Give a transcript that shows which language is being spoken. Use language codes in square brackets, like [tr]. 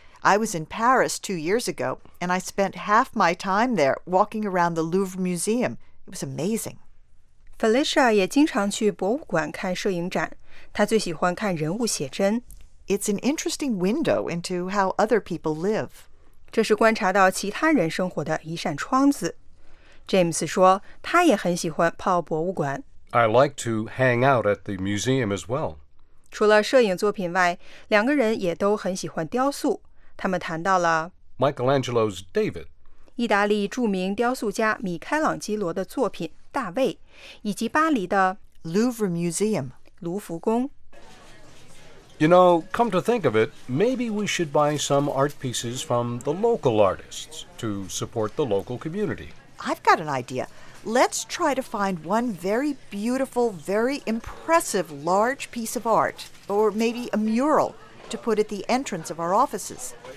[en] I was in Paris 2 years ago, and I spent half my time there walking around the Louvre Museum. It was amazing. [zh] Felicia 也经常去博物馆看摄影展，她最喜欢看人物写真。 [en] It's an interesting window into how other people live. [zh] 这是观察到其他人生活的一扇窗子。 James 说，他也很喜欢泡博物馆。 [en] I like to hang out at the museum as well. [zh] 除了摄影作品外，两个人也都很喜欢雕塑。他们谈到了 [en] Michelangelo's David. [zh] 意大利著名雕塑家米开朗基罗的作品《大卫》，以及巴黎的 [en] Louvre Museum [zh] 卢浮宫。 [en] You know, come to think of it, maybe we should buy some art pieces from the local artists to support the local community. I've got an idea. Let's try to find one very beautiful, very impressive large piece of art, or maybe a mural, to put at the entrance of our offices.